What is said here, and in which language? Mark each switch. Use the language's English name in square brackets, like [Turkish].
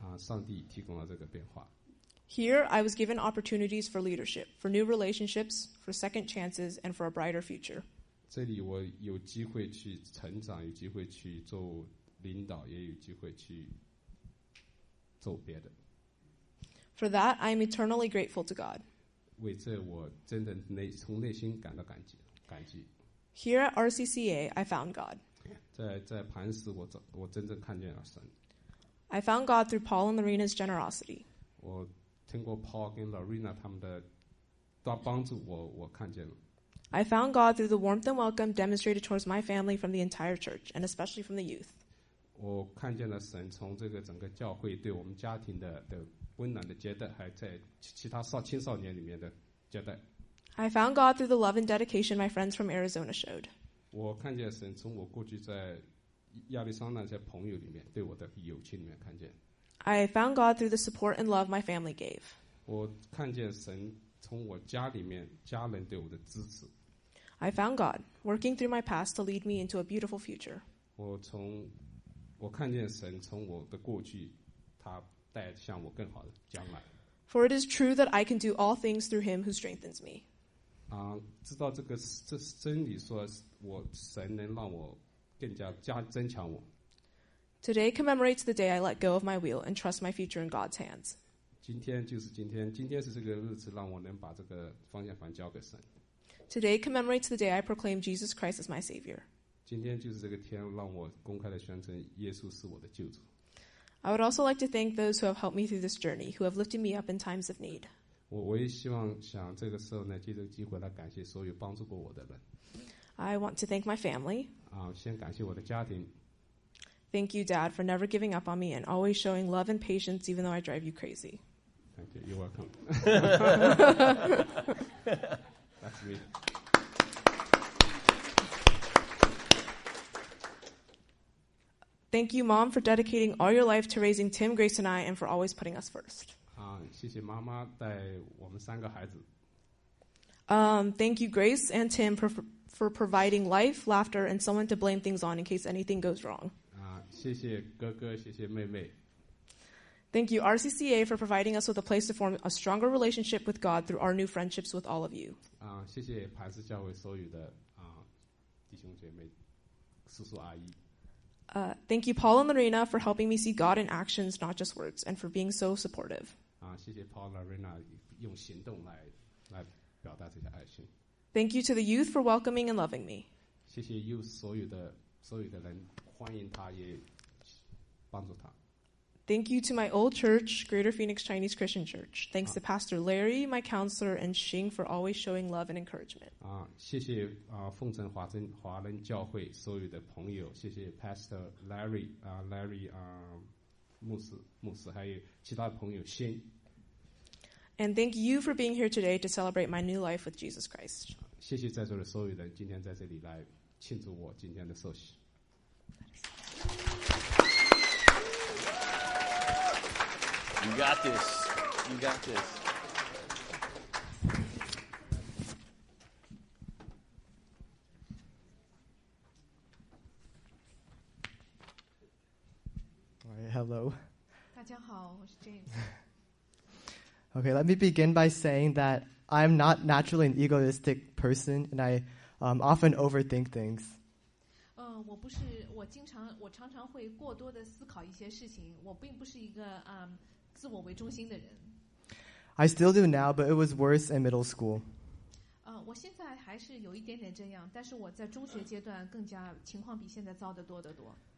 [Chinese] 上帝提供了这个变化。 [English] Here, I was given opportunities for leadership, for new relationships, for second chances, and for a brighter future. [Chinese] 这里我有机会去成长，有机会去做领导，也有机会去做别的。 [English] For that, I am eternally grateful to God. [Chinese] 为这我真的从内心感到感激。 [English] Here at RCCA, I found God. [Chinese] 在磐石我真正看见了神。 [English] I found God through Paul and Lorena's generosity. [Chinese] 我听过 Paul 跟 Lorena 他们的帮助，我看见了。 [English] I found God through the warmth and welcome demonstrated towards my family from the entire church, and especially from the youth. [Chinese] 我看见了神从这个整个教会对我们家庭的温暖的接待，还在其他青少年里面的接待。 [English] I found God through the love and dedication my friends from Arizona showed. [Chinese] 我看见神从我过去在亚利桑那些朋友里面对我的友情里面看见。 [English] I found God through the support and love my family gave. [Chinese] 我看见神从我家里面家人对我的支持。 [English] I found God working through my past to lead me into a beautiful future. [Chinese] 我看见神从我的过去，他带向我更好的将来。 [English] For it is true that I can do all things through Him who strengthens me. [Chinese] 知道这真理说，我神能让我更加增强我。 [English] Today commemorates the day I let go of my wheel and trust my future in God's hands. [Chinese] 今天就是今天，今天是这个日子，让我能把这个方向盘交给神。 [English] Today commemorates the day I proclaim Jesus Christ as my Savior. [Chinese] 今天就是这个天，让我公开的宣称耶稣是我的救主。 [English] I would also like to thank those who have helped me through this journey, who have lifted me up in times of need. [Chinese] 我也希望想这个时候呢，借这个机会来感谢所有帮助过我的人。 [English] I want to thank my family. [Chinese] 先感谢我的家庭。 [English] Thank you, Dad, for never giving up on me and always showing love and patience, even though I drive you crazy. Thank you. You're welcome. That's me. Thank you, Mom, for dedicating all your life to raising Tim, Grace, and I, and for always putting us first. [Chinese] 谢谢妈妈带我们三个孩子。 [English] Thank you, Grace and Tim, for providing life, laughter, and someone to blame things on in case anything goes wrong. [Chinese] 谢谢哥哥，谢谢妹妹。 [English] Thank you, RCCA, for providing us with a place to form a stronger relationship with God through our new friendships with all of you. [Chinese] 谢谢磐石教会所有的弟兄姐妹、叔叔阿姨。 [English] Thank you, Paul and Lorena, for helping me see God in actions, not just words, and for being so supportive. [Chinese] 谢谢 Paul and Lorena 用行动来表达这些爱心。 [English] Thank you to the youth for welcoming and loving me. [Chinese] 谢谢 youth 所有的人欢迎他，也帮助他。 [English] Thank you to my old church, Greater Phoenix Chinese Christian Church. Thanks to Pastor Larry, my counselor, and Xing for always showing love and encouragement. [Chinese] 谢谢奉承华人教会所有的朋友，谢谢 Pastor Larry, Larry 牧师，还有其他朋友 Xing. [English] And thank you for being here today to celebrate my new life with Jesus Christ. [Chinese] 谢谢在座的所有人今天在这里来庆祝我今天的受洗。 [English] You got this. You got this. All right, hello. [Chinese] 大家好，我是 James. [English] Okay, let me begin by saying that I'm not naturally an egotistic person, and I often overthink things. [Chinese] 我不是，我常常会过多的思考一些事情。我并不是一个自我为中心的人。 [English] I still do now, but it was worse in middle school. [Chinese] 我现在还是有一点点这样，但是我在中学阶段更加情况比现在糟得多得多。